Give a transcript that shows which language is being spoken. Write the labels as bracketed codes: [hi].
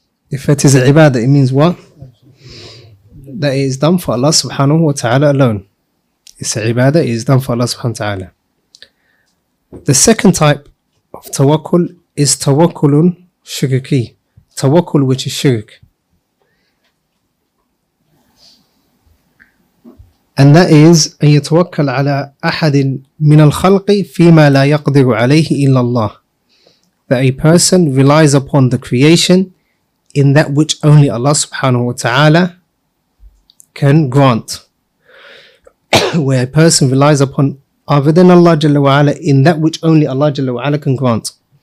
[en] If it is ibadah, it means what? That it is done for Allah subhanahu wa ta'ala alone. It's ibadah, it is done for Allah subhanahu wa ta'ala. The second type of tawakkul is tawakkulun shirki, tawakkul which is shirk. And that is [ar] أن يتوكل على أحد من الخلق فيما لا يقدر عليه إلا الله. [en] That a person relies upon the creation in that which only Allah subhanahu wa ta'ala can grant. Where a person relies upon other than Allah Jalla wa'ala in that which only Allah Jalla wa'ala can grant.